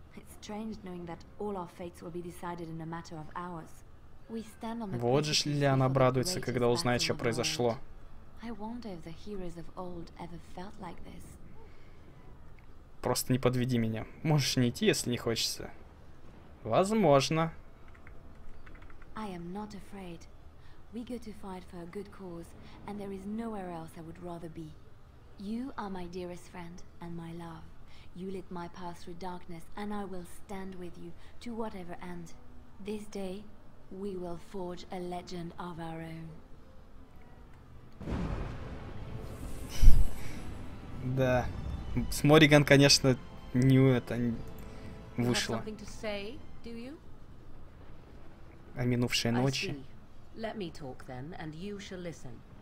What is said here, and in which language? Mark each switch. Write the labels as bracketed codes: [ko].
[en] It's strange knowing that all our fates will be decided in a matter of hours. We stand on the brink. [ru] Вот же Лилиан обрадуется, когда узнает, что произошло. [en] I wonder if the heroes of old ever felt like this. [ru] Просто не подведи меня. Можешь не идти, если не хочется. Возможно. [en] I am not afraid. We go to fight for a good cause, and there is nowhere else I would rather be. You are my dearest friend and my love. You lit my path through darkness, and I will stand with you to whatever end. This day, we will forge a legend of our own. [ru] Да, с Морриган, конечно, не это вышло. [en] Something to say, do you? [ru] О минувшей ночи. [en] I see. Let me talk then, and you shall listen.